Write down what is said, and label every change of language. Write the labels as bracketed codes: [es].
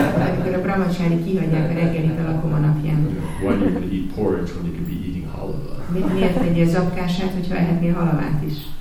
[hu] Amikor a brahmacsári kihagyják a reggelit a lakom a napján. [en] Why do you need to eat porridge when you could be eating halava? [hu] Miért tegye a zapkását, hogyha ehetné halavát is?